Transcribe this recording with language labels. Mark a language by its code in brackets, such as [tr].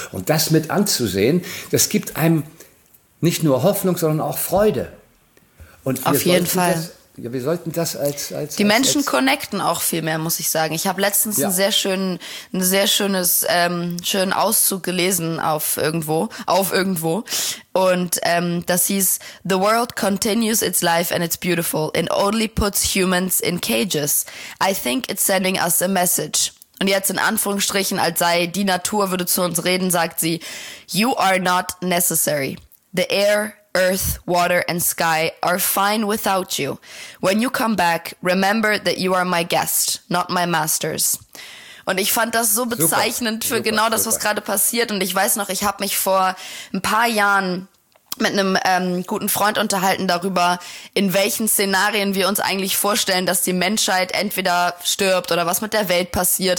[de] Und das mit anzusehen, das gibt einem nicht nur Hoffnung, sondern auch Freude. Und auf jeden Fall. Ja, wir sollten das als die Menschen connecten auch viel mehr, muss ich sagen. Ich habe letztens einen sehr schönen Auszug gelesen auf irgendwo. Und das hieß, [en] the world continues its life and it's beautiful. It only puts humans in cages. I think it's sending us a message. [de] Und jetzt in Anführungsstrichen, als sei die Natur würde zu uns reden, sagt sie, [en] you are not necessary. The air, earth, water and sky are fine without you. When you come back, remember that you are my guest, not my masters. [de] Und ich fand das so bezeichnend super, für super, genau das, super. Was gerade passiert. Und ich weiß noch, ich habe mich vor ein paar Jahren mit einem guten Freund unterhalten darüber, in welchen Szenarien wir uns eigentlich vorstellen, dass die Menschheit entweder stirbt oder was mit der Welt passiert.